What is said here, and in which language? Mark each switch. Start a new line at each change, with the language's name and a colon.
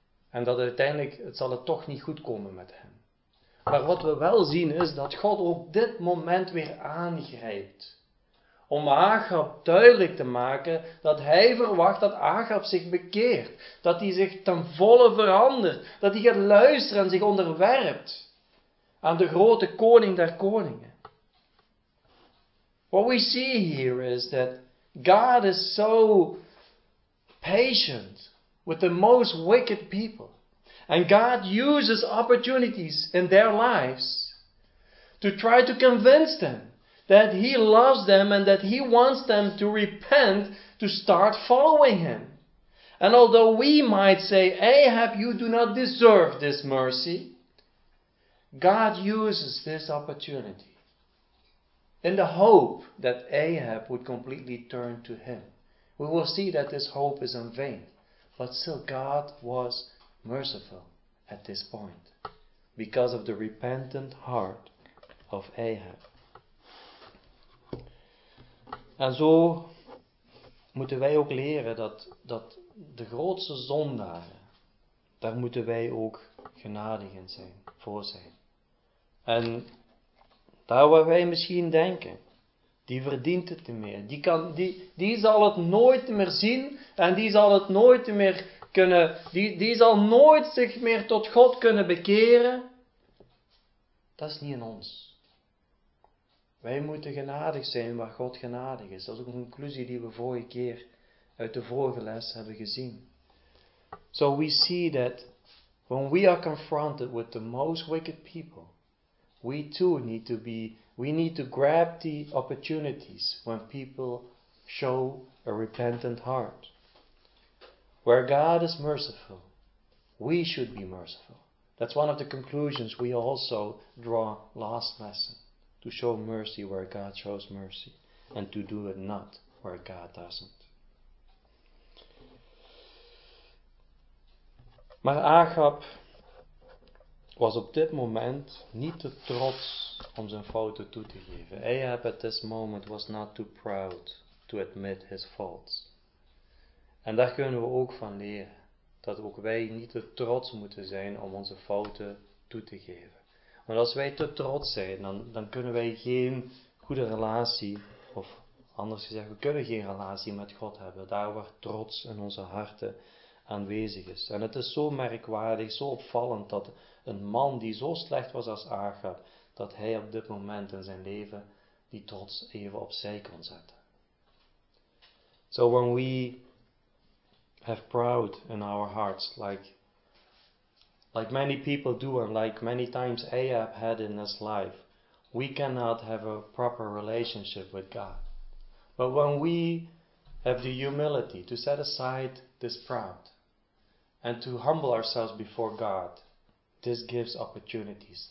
Dutch: En dat uiteindelijk, het zal het toch niet goed komen met hem. Maar wat we wel zien is dat God op dit moment weer aangrijpt. Om Ahab duidelijk te maken dat hij verwacht dat Ahab zich bekeert. Dat hij zich ten volle verandert. Dat hij gaat luisteren en zich onderwerpt aan de grote koning der koningen.
English: What we see here is that God is so patient with the most wicked people. And God uses opportunities in their lives to try to convince them that he loves them and that he wants them to repent, to start following him. And although we might say, Ahab, you do not deserve this mercy, God uses this opportunity in the hope that Ahab would completely turn to him. We will see that this hope is in vain. But still, God was merciful at this point because of the repentant heart of Ahab.
Dutch: En zo moeten wij ook leren dat de grootste zondaren, daar moeten wij ook genadig in zijn, voor zijn. En daar waar wij misschien denken, die verdient het niet meer. Die zal het nooit meer zien en die zal het nooit meer kunnen, die zal nooit zich meer tot God kunnen bekeren. Dat is niet in ons. Wij moeten genadig zijn waar God genadig is. Dat is ook een conclusie die we vorige keer uit de vorige les hebben gezien.
English: So we see that when we are confronted with the most wicked people, we too need to be, we need to grab the opportunities when people show a repentant heart. Where God is merciful, we should be merciful. That's one of the conclusions we also draw last lesson. To show mercy where God shows mercy. And to do it not where God doesn't.
Dutch: Maar Ahab was op dit moment niet te trots om zijn fouten toe te geven.
English: Ahab at this moment was not too proud to admit his faults.
Dutch: En daar kunnen we ook van leren. Dat ook wij niet te trots moeten zijn om onze fouten toe te geven. Maar als wij te trots zijn, dan kunnen wij geen goede relatie, of anders gezegd, we kunnen geen relatie met God hebben. Daar waar trots in onze harten aanwezig is. En het is zo merkwaardig, zo opvallend, dat een man die zo slecht was als Ahab, dat hij op dit moment in zijn leven die trots even opzij kon zetten.
English: So when we have pride in our hearts, like many people do, and like many times Ahab had in his life, we cannot have a proper relationship with God. But when we have the humility to set aside this pride and to humble ourselves before God, this gives opportunities.